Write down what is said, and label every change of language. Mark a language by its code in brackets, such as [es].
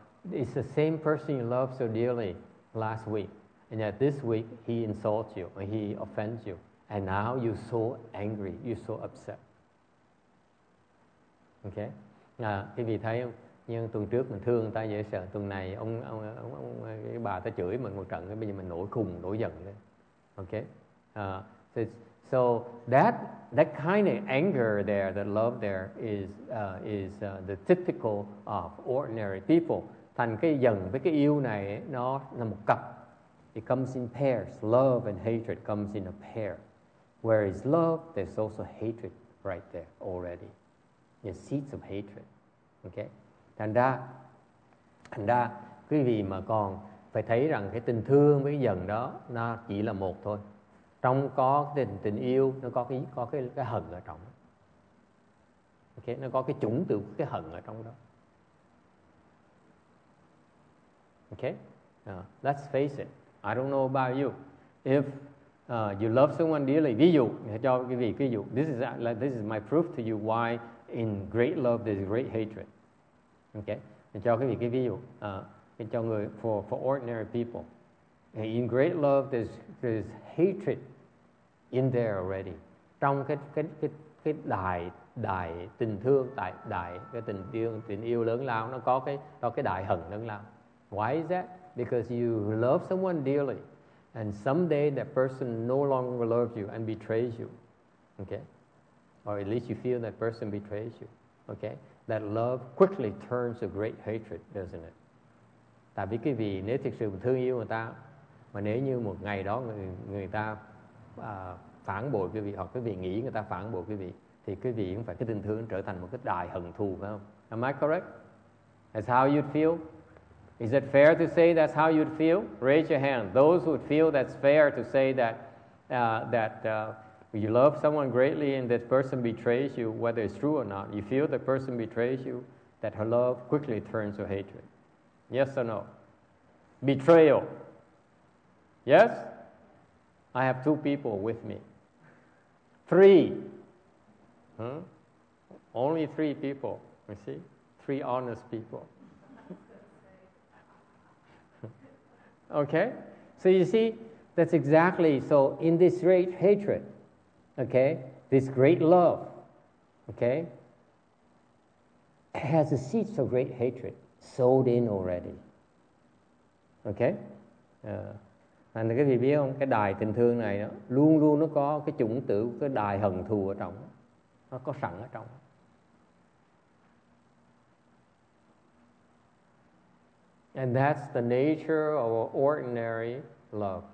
[en] It's the same person you love so dearly last week, and yet this week he insults you or he offends you, and now you're so angry, you're so upset. [vi] Okay? Quý vị thấy không? Nhưng tuần trước mình thương người ta dễ sợ, tuần này ông cái bà ta chửi mình một trận, bây giờ mình nổi khùng, nổi giận lên. [en] Okay. So that kind of anger there, that love there is the typical of ordinary people. [vi] Thành cái giận với cái yêu này nó là một cặp. [en] It comes in pairs. Love and hatred comes in a pair. Where is love, there's also hatred right there already. The seeds of hatred. Okay? [vi] Thành ra, quý vị mà còn phải thấy rằng cái tình thương với cái giận đó nó chỉ là một thôi. Trong có tình yêu nó có cái hận ở trong. Okay? Nó có cái chủng từ cái hận ở trong đó. [en] Okay? Let's face it. I don't know about you. If you love someone dearly, [vi] ví dụ, cho quý vị ví dụ, [en] this is my proof to you why in great love there's great hatred. Okay? [vi] Cho quý vị cái ví dụ, cho người [en] for ordinary people. In great love there's hatred in there already. [vi] Trong cái đại tình thương, đại cái tình yêu lớn lao, nó có cái đại hận lớn lao. [en] Why is that? Because you love someone dearly, and someday that person no longer loves you and betrays you. Okay? Or at least you feel that person betrays you. Okay? That love quickly turns to great hatred, doesn't it? [vi] Tại vì quý vị nếu thực sự thương yêu người ta, mà nếu như một ngày đó người ta phản bội quý vị, hoặc quý vị nghĩ người ta phản bội quý vị, thì quý vị cũng phải cái tình thương trở thành một cái đại hận thù, phải không? [en] Am I correct? That's how you'd feel? Is it fair to say that's how you'd feel? Raise your hand. Those who feel that's fair to say that you love someone greatly and that person betrays you, whether it's true or not, you feel the person betrays you, that her love quickly turns to hatred. Yes or no? Betrayal. Yes? I have two people with me. Three. Only three people, you see? Three honest people. Okay? So you see, that's exactly, so in this great hatred, okay, this great love, okay, it has the seeds of great hatred sowed in already. [vi] Okay? Thành cái gì biết không? Cái đài tình thương này đó, luôn luôn nó có cái chủng tử, cái đài hận thù ở trong. Nó có sẵn ở trong. [en] And that's the nature of ordinary love.